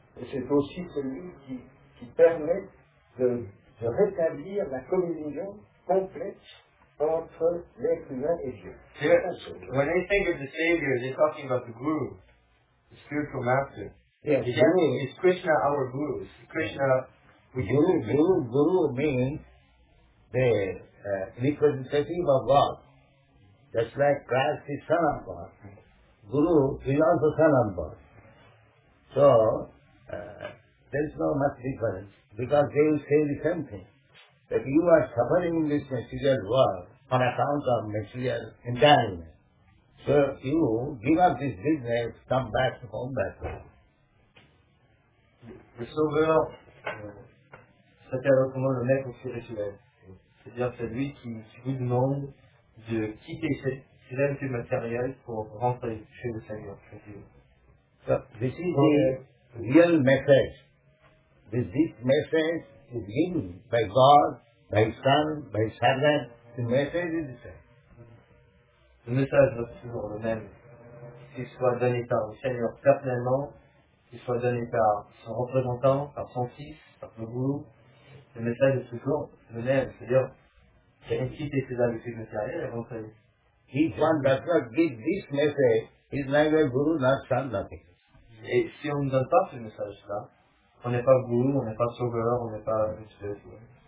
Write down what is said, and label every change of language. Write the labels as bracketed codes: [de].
[fr] C'est aussi celui qui permet de rétablir la communion complète entre l'être humain et Dieu. [en] When they think of the Savior, they're talking about the Guru, the spiritual master. Yes, is Krishna our Guru? Is Krishna, Guru means representative of God, just like Christ is Son of God. Guru is also Son of God. So, there is no much difference, because they will say the same thing, that you are suffering in this material world on account of material entanglement. So, you give up this business, come back to home back home. [fr] Le sauveur s'appelle autrement le maître spirituel, c'est-à-dire celui qui vous demande de quitter cette réalité matérielle pour rentrer chez le Seigneur. [en] So, this is the real message. This deep message is given by God, by His Son, by His Father. The message is the same. [fr] Le message reste toujours le même, qu'il soit donné par le Seigneur personnellement, qu'il soit donné par son représentant, par son fils, par son gourou, le message est toujours le même. C'est-à-dire, c'est inciter ses habitudes matérielles et rentrer. [en] If one does not give this message, he's neither guru nor son, nothing. [fr] Et si on ne donne pas ce message-là, on n'est pas gourou, on n'est pas sauveur, on n'est pas spirituel.